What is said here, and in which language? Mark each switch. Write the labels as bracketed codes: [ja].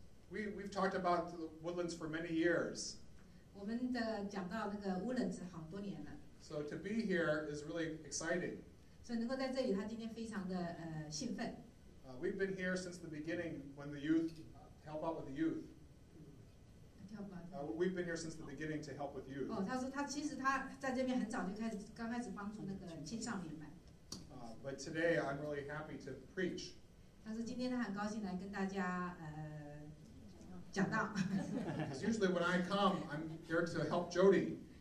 [en] We've talked about the Woodlands for many years. [zh] 我们的讲到那个乌冷子好多年了。 [en] So to be here is really exciting. [zh] 所以能够在这里，他今天非常的兴奋。 [en] We've been here since the beginning when the youth help out with the youth. We've been here since the beginning to help with youth. [zh] 哦，他说他其实他在这边很早就开始，刚开始帮助那个青少年们。 [en] But today I'm really happy to preach. [zh] 他说今天他很高兴来跟大家 [en] Because usually when I come, I'm here to help Jody.